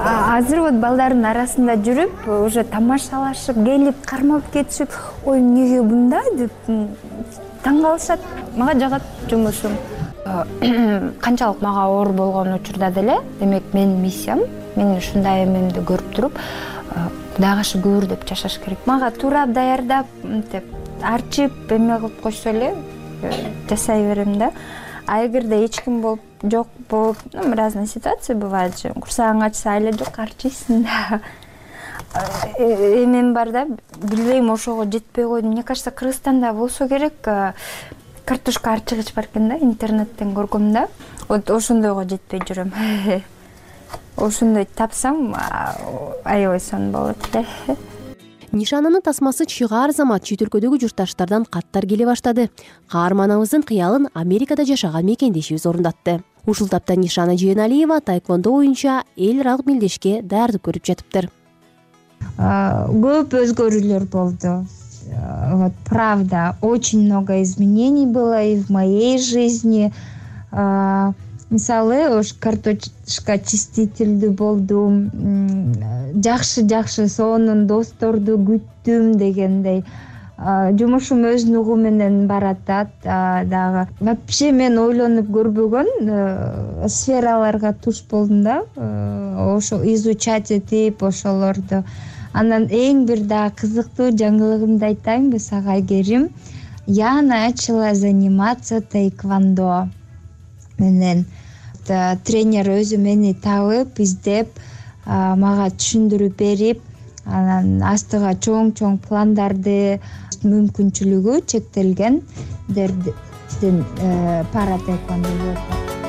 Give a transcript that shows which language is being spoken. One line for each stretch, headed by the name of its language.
Kyrgyz: Азыр вот балдардын арасында жүрүп уже тамашалашып келип кармап кетишип, ой, эмнеге мындай деп таң калышат. Мага жагат жумушум. канчалык мага оор болгон учурда деле, демек менин миссиям, менин ушундай эмемди көрүп туруп, Кудайга шүгүр деп жашаш керек. Мага туура даярдап, мынтип арчып, эме кылып койсо эле жасай берем да. А эгерде эч ким болуп жок болуп,
Russian: ну, разные ситуации бывают же.
Kyrgyz: Курсагың ачса эле жок арчыйсың да. Эмем бар да, билбейм ошого жетпей койдум.
Russian: Мне кажется,
Kyrgyz: Кыргызстанда болсо керек, картошка арчыгыч бар экен да, интернеттен көргөм да. Вот ошондойго жетпей жүрөм. Ошондой тапсам, аябай сонун болот эле. Нишанынын тасмасы чыгар замат чет өлкөдөгү журташтардан каттар келе баштады. Каарманыбыздын кыялын Америкада жашаган мекендешибиз орундатты. Ушул тапта Нишана Жээнәлиева тайквондо боюнча эл аралык белдешке даярдык көрүп жатыптыр. Көп өзгөрүүлөр болду.
Russian: Вот правда, очень много изменений было и в моей жизни.
Kyrgyz: Мисалы, ош картошка чиститилдүү болдум. Жакшы-жакшы сонун досторду күттүм дегендей. Жумушум өз нугу менен барат дагы. Вообще мен ойлонуп көрбөгөн сфераларга туш болдум да. Ошо изучать этип ошолорду. Анан эң бир да кызыктуу жаңылыгымды айтайынбы сага керим.
Russian: Я начала заниматься тайквондо менен.
Kyrgyz: Тренер өзү мени табып, издеп, мага түшүндүрүп берип, анан астыга чоң-чоң пландарды, мүмкүнчүлүгү чектелген дердин пара тайквондо болот.